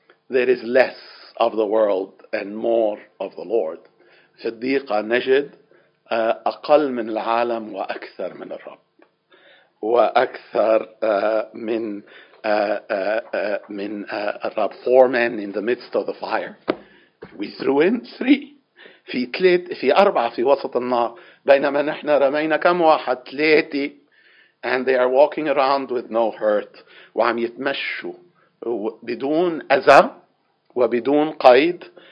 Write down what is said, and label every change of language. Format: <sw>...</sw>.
<en>There is less of the world and more of the Lord.</en> <ar>في الضيقة نجد أقل من العالم وأكثر من الرب. وأكثر من الرب.</ar> <en>Four men in the midst of the fire. We threw in three.</en> <ar>في ثلاث في أربعة في وسط النار. بينما نحن رمينا كم واحد ثلاثة.</ar> <en>And they are walking around with no hurt.</en> <ar>وعم يتمشوا بدون أذى وبدون قيد.</ar>